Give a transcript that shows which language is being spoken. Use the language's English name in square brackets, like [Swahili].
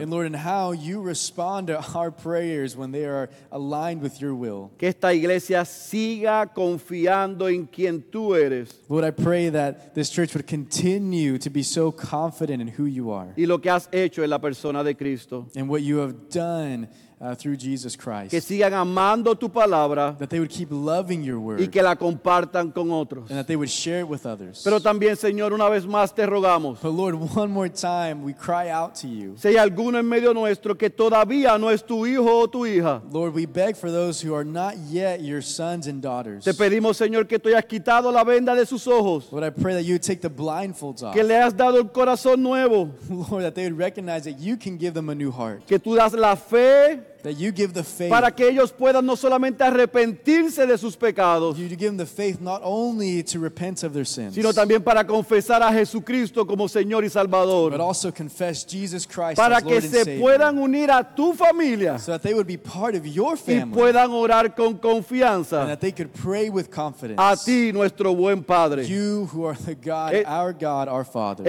[English] And Lord, and how you respond to our prayers when they are aligned with your will. [Spanish] Que esta iglesia siga confiando en quien tú eres. [English] Lord, I pray that this church would continue to be so confident in who you are. [Spanish] Y lo que has hecho en la persona de Cristo. [English] And what you have done through Jesus Christ. [Spanish] Que sigan amando tu palabra. [English] That they would keep loving your word. [Spanish] Y que la compartan con otros. [English] And that they would share it with others. [Spanish] Pero también, Señor, una vez más te rogamos. [English] But Lord, one more time we cry out to you. [Spanish] Si hay alguno en medio nuestro que todavía no es tu hijo o tu hija. [English] Lord, we beg for those who are not yet your sons and daughters. [Spanish] Te pedimos, Señor, que tú hayas quitado la venda de sus ojos. [English] Lord, I pray that you would take the blindfolds off. [Spanish] Que le has dado el corazón nuevo. [English] Lord, that they would recognize that you can give them a new heart. [Spanish] Que tú das la fe. [English] That you give the faith. [Spanish] Para que ellos puedan no solamente arrepentirse de sus pecados. [English] You give them the faith not only to repent of their sins. [Spanish] Sino también para confesar a Jesucristo como Señor y Salvador. [English] But also confess Jesus Christ [Spanish] para [English] as Lord and Savior. [Spanish] Para que se puedan unir a tu familia. [English] So that they would be part of your family. [Spanish] Y puedan orar con confianza. [English] And that they could pray with confidence. [Spanish] A ti, nuestro buen Padre. [English] You who are the God, our God, our Father.